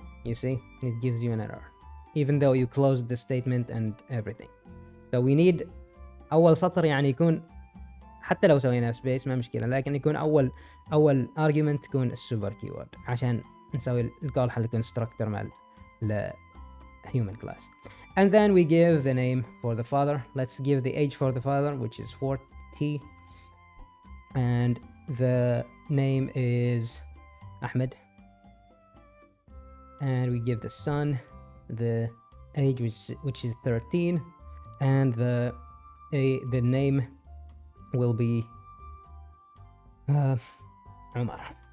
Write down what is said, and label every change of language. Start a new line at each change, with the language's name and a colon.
English: You see, it gives you an error, even though you closed the statement and everything. So we need
Arabic: أول سطر يعني يكون حتى لو سوينا space ما مشكلة, لكن يكون أول argument تكون super keyword عشان نسوي الكول حل constructor مع human class.
English: And then we give the name for the father. Let's give the age for the father, which is 40, and the name is Ahmed. And we give the son the age, which is 13, and the name will be Umar.